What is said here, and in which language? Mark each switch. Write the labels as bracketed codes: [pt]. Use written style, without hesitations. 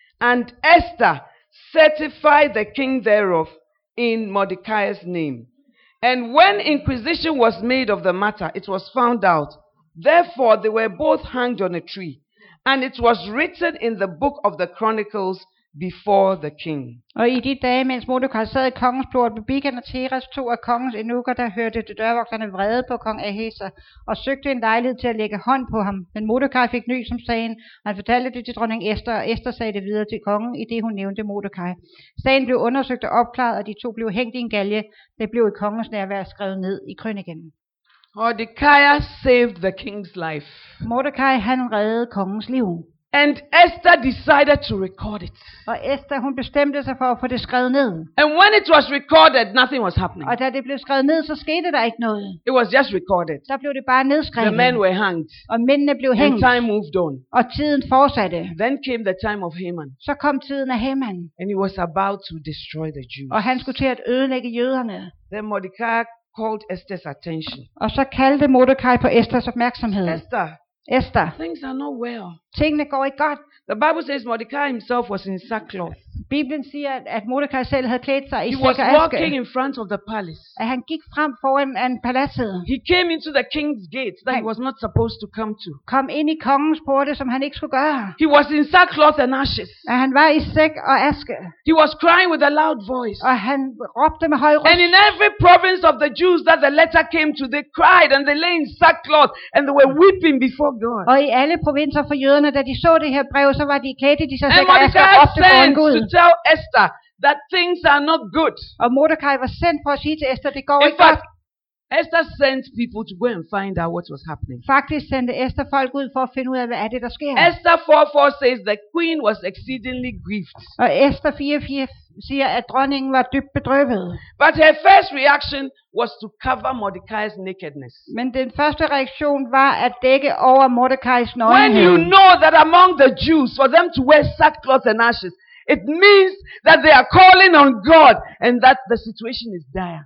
[en] And Esther certified the king thereof in Mordecai's name. And when inquisition was made of the matter, it was found out. Therefore they were both hanged on a tree. And it was written in the book of the Chronicles, before the king. [da] Og i de dage, mens Mordecai sad i kongens port, blev Bigthan og Teresh, to af kongens eunukker, der hørte de dørvogterne vrede på kong Ahasuerus, og søgte en lejlighed til at lægge hånd på ham. Men Mordecai fik ny som sagen, og han fortalte det til dronning Esther, og Esther sagde det videre til kongen, i det hun nævnte Mordecai. Sagen blev undersøgt og opklaret, og de to blev hængt i en galje. Det blev i kongens nærvær skrevet ned i krøniken. [en] Mordecai saved the king's life. [da] Mordecai, han reddede kongens liv. [en] And Esther decided to record it. [da] Og Esther, hun bestemte sig for at få det skrevet ned. [en] And when it was recorded, nothing was happening. [da] Og da det blev skrevet ned, så skete der ikke noget. [en] It was just recorded. [da] Så blev det bare nedskrevet. [en] The men were hanged. [da] Og mændene blev hængt. [en] And time moved on. [da] Og tiden fortsatte. [en] Then came the time of Haman. [da] Så kom tiden af Haman. [en] And he was about to destroy the Jews. [da] Og han skulle til at ødelægge jøderne. [en] Then Mordecai called Esther's attention. [da] Og så kaldte Mordecai på Esthers opmærksomhed. [en] Esther. Things are not well. [da] Tingene går ikke godt. [en] The Bible says Mordecai himself was in sackcloth. [da] Bibelen siger at Mordecai selv havde klædt sig i sæk og aske. [en] He was walking in front of the palace. [da] At han gik frem foran paladset. [en] He came into the king's gate that he was not supposed to come to. [da] Kom ind i kongens porte som han ikke skulle gøre. [en] He was in sackcloth and ashes. [da] At han var i sæk og aske. [en] He was crying with a loud voice. [da] Og han råbte med høj røst. [en] And in every province of the Jews that the letter came to, they cried and they lay in sackcloth and they were weeping before God. [da] Og i alle provinser for jøderne, da de så det her brev, så var de kædte, de så sæk og aske op til foran Gud. [en] Tell Esther that things are not good. [da] Og Mordecai var sendt for at sige til Esther, det går [en] in [da] ikke [en] fact, [da] godt. [en] Esther sent people to go and find out what was happening. [da] Faktisk sendte Esther folk ud for at finde ud af, hvad er det der sker. [en] Esther 4:4 says the queen was exceedingly grieved. [da] Og Esther 4:4 siger at dronningen var dybt bedrøvet. [en] But her first reaction was to cover Mordecai's nakedness. [da] Men den første reaktion var at dække over Mordecai's nøgenhed. [en] When you know that among the Jews for them to wear sackcloth and ashes, it means that they are calling on God and that the situation is dire.